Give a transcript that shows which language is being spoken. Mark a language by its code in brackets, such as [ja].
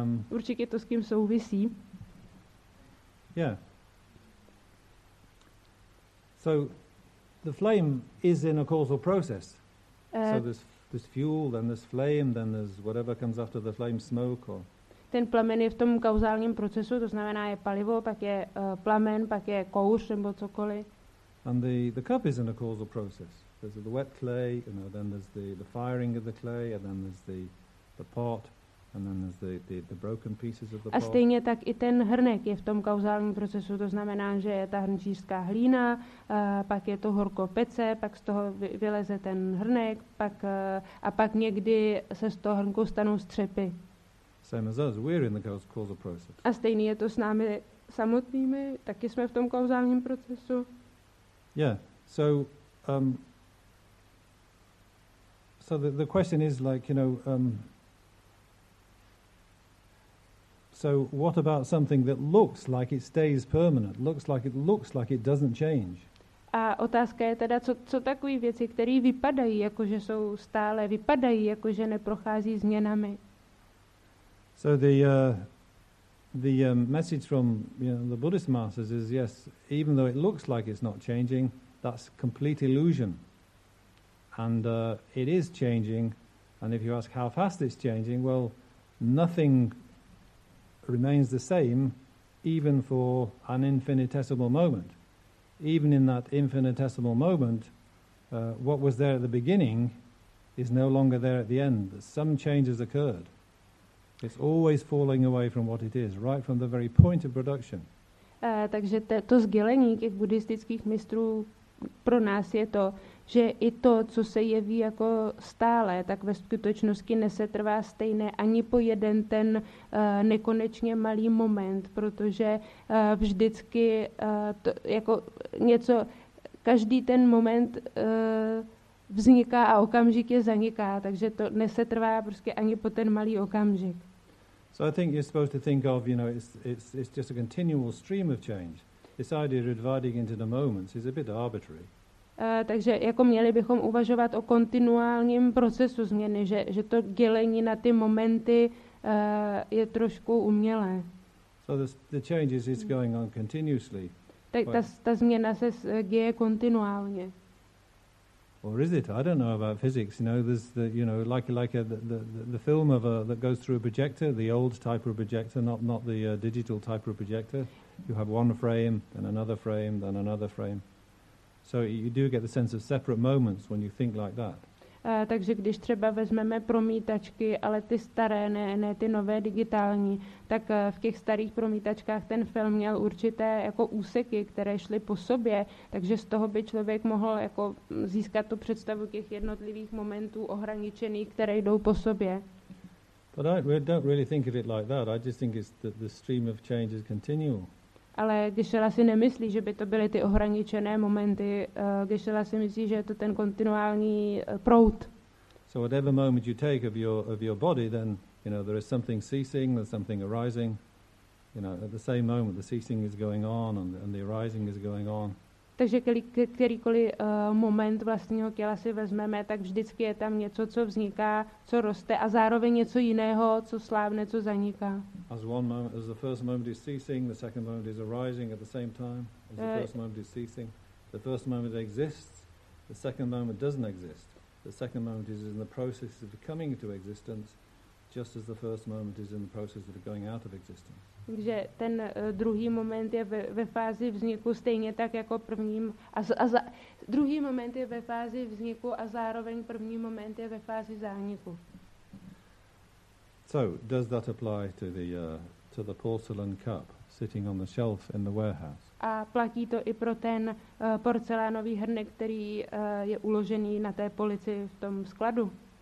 [cs] Určitě to s kým souvisí. [en] Yeah. So the flame is in a causal process. So there's fuel, then there's flame, then there's whatever comes after the flame, smoke or. [cs] Ten plamen je v tom kauzálním procesu, to znamená je palivo, pak je plamen, pak je kouř nebo cokoliv. [en] And the cup is in a causal process. There's the wet clay, you know, then there's the firing of the clay, and then there's the pot, and then there's the broken pieces of the pot. [cs] A stejně tak i ten hrnek je v tom kauzálním procesu, to znamená, že je ta hrnčířská hlína, pak je to horko pece, pak z toho vyleze ten hrnek, pak někdy se z toho hrnku stanou střepy. [en] Same as us, we're in the causal process. [cs] A stejně je to s námi samotnými, taky jsme v tom kauzálním procesu. [en] Yeah, so so the question is like, you know, so what about something that looks like it stays permanent, looks like it doesn't change? [cs] A otázka je teda, co takové věci, které vypadají, jakože jsou stále, vypadají, jakože neprochází změnami. [en] So the message from, you know, the Buddhist masters is, yes, even though it looks like it's not changing, that's complete illusion. And it is changing, and if you ask how fast it's changing, well, nothing remains the same, even for an infinitesimal moment. Even in that infinitesimal moment, what was there at the beginning is no longer there at the end. Some change has occurred. It's always falling away from what it is, right from the very point of production. [cs] Takže to sdělení těch buddhistických mistrů pro nás je to, že i to, co se jeví jako stále, tak ve skutečnosti nesetrvá stejné ani po jeden ten nekonečně malý moment, protože vždycky to, jako něco, každý ten moment vzniká a okamžik je zaniká, takže to nesetrvá prostě ani po ten malý okamžik. [en] So I think you're supposed to think of, you know, it's just a continual stream of change. This idea of dividing into the moments is a bit arbitrary. [cs] Takže jako měli bychom uvažovat o kontinuálním procesu změny, že to dělení na ty momenty je trošku umělé. [en] So the changes is going on continuously. [cs] Tak ta změna se děje kontinuálně. [en] Or is it? I don't know about physics. You know, there's the, you know, like a, the film of a, that goes through a projector, the old type of projector, not the digital type of projector. You have one frame, then another frame, then another frame. So you do get the sense of separate moments when you think like that. [cs] Takže když třeba vezmeme promítačky, ale ty staré, ne ty nové digitální, tak v těch starých promítačkách ten film měl určité jako úseky, které šly po sobě, takže z toho by člověk mohl jako získat tu představu těch jednotlivých momentů ohraničených, které jdou po sobě. [en] But I don't really think of it like that. I just think it's that the stream of change is continual. [cs] Ale Geshe-la si nemyslí, že by to byly ty ohraničené momenty. Geshe-la si myslí, že je to ten kontinuální prout. [en] So whatever moment you take of your body, then, you know, there is something ceasing, there's something arising. You know, at the same moment the ceasing is going on and the arising is going on. [cs] Takže kterýkoliv moment vlastního těla si vezmeme, tak vždycky je tam něco, co vzniká, co roste a zároveň něco jiného, co slábne, co zaniká. [en] As one moment, as the first moment is ceasing, the second moment is arising at the same time. As the first moment is ceasing, the first moment exists, the second moment doesn't exist. The second moment is in the process of coming into existence, just as the first moment is in the process of going out of existence. [cs] Takže ten druhý moment je ve fázi vzniku stejně tak jako prvním druhý moment je ve fázi vzniku a zároveň první moment je ve fázi zániku. [en] So, does that apply to the porcelain cup sitting on the shelf in the warehouse? [cs] A platí to i pro ten porcelánový hrnek, který je uložený na té polici v tom skladu?